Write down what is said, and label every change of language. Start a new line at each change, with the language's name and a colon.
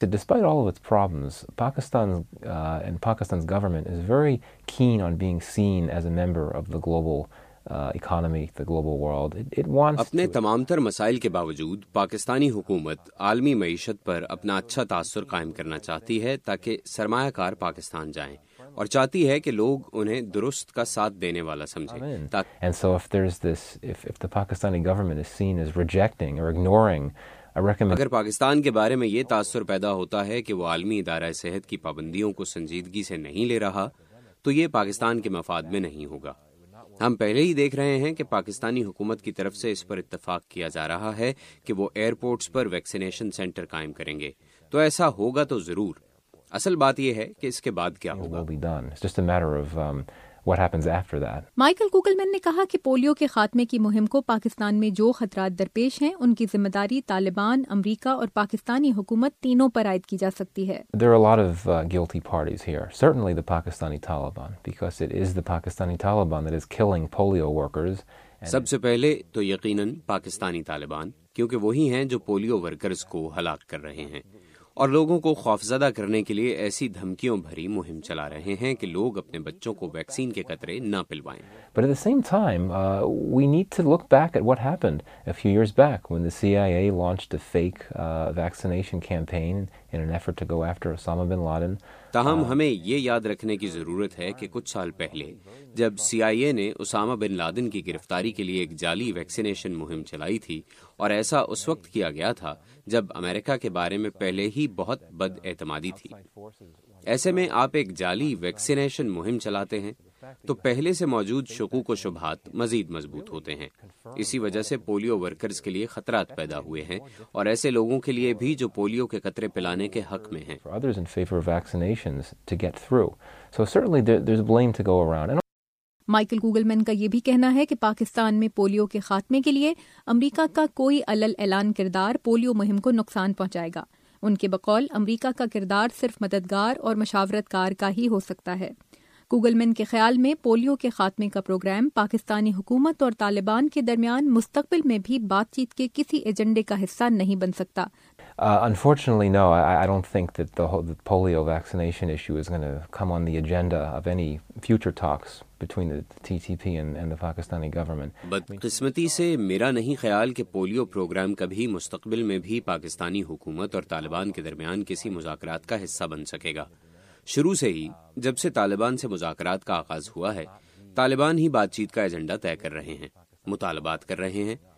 English: Despite all of its problems, Pakistan's government is very keen on being seen as a member of the global economy, the global world. It wants
Urdu: اپنے تمام تر مسائل کے باوجود پاکستانی حکومت عالمی معیشت پر اپنا اچھا تاثر قائم کرنا چاہتی ہے تاکہ سرمایہ کار پاکستان جائیں, اور چاہتی ہے کہ لوگ انہیں درست کا ساتھ دینے والا سمجھیں.
English: And so if there's this, if the Pakistani government is seen as rejecting or ignoring
Urdu: اگر پاکستان کے بارے میں یہ تاثر پیدا ہوتا ہے کہ وہ عالمی ادارہ صحت کی پابندیوں کو سنجیدگی سے نہیں لے رہا, تو یہ پاکستان کے مفاد میں نہیں ہوگا. ہم پہلے ہی دیکھ رہے ہیں کہ پاکستانی حکومت کی طرف سے اس پر اتفاق کیا جا رہا ہے کہ وہ ایئرپورٹس پر ویکسینیشن سینٹر قائم کریں گے, تو ایسا ہوگا تو ضرور. اصل بات یہ ہے کہ اس کے بعد کیا ہوگا.
English: What happens after that?
Urdu: Michael Kugelman نے کہا کہ پولیو کے خاتمے کی مہم کو پاکستان میں جو خطرات درپیش ہیں ان کی ذمہ داری طالبان, امریکہ اور پاکستانی حکومت تینوں پر عائد کی جا سکتی ہے.
English: There are a lot of guilty parties here. Certainly the Pakistani Taliban, because it is the Pakistani Taliban that is killing polio workers.
Urdu: سب سے پہلے تو یقیناً پاکستانی طالبان, کیونکہ وہی ہیں جو پولیو ورکرز کو ہلاک کر رہے ہیں اور لوگوں کو خوفزدہ کرنے کے لیے ایسی دھمکیوں بھری مہم چلا رہے ہیں کہ لوگ اپنے بچوں کو ویکسین کے قطرے نہ پلوائیں.
English: But at the same time, we need to look back at what happened a few years back when the CIA launched a fake vaccination campaign in an effort to go after Osama bin Laden.
Urdu: تاہم ہمیں یہ یاد رکھنے کی ضرورت ہے کہ کچھ سال پہلے جب سی آئی اے نے اسامہ بن لادن کی گرفتاری کے لیے ایک جعلی ویکسینیشن مہم چلائی تھی, اور ایسا اس وقت کیا گیا تھا جب امریکہ کے بارے میں پہلے ہی بہت بد اعتمادی تھی. ایسے میں آپ ایک جعلی ویکسینیشن مہم چلاتے ہیں تو پہلے سے موجود شکوک و شبہات مزید مضبوط ہوتے ہیں. اسی وجہ سے پولیو ورکرز کے لیے خطرات پیدا ہوئے ہیں, اور ایسے لوگوں کے لیے بھی جو پولیو کے قطرے پلانے کے حق میں ہیں.
English: Others in favor of vaccinations to get through. So certainly there's blame to go around.
Urdu: Michael کوگلمین کا یہ بھی کہنا ہے کہ پاکستان میں پولیو کے خاتمے کے لیے امریکہ کا کوئی علل اعلان کردار پولیو مہم کو نقصان پہنچائے گا. ان کے بقول امریکہ کا کردار صرف مددگار اور مشاورت کار کا ہی ہو سکتا ہے. کوگلمین کے خیال میں پولیو کے خاتمے کا پروگرام پاکستانی حکومت اور طالبان کے درمیان مستقبل میں بھی بات چیت کے کسی ایجنڈے کا حصہ نہیں بن سکتا.
English: Unfortunately, no, I don't think that the polio vaccination issue is going to come on the agenda of any future talks between the TTP and the Pakistani government.
Urdu: بدقسمتی سے میرا نہیں خیال کہ پولیو پروگرام کبھی مستقبل میں بھی پاکستانی حکومت اور طالبان کے درمیان کسی مذاکرات کا حصہ بن سکے گا. شروع سے ہی جب سے طالبان سے مذاکرات کا آغاز ہوا ہے, طالبان ہی بات چیت کا ایجنڈا طے کر رہے ہیں, مطالبات کر رہے ہیں.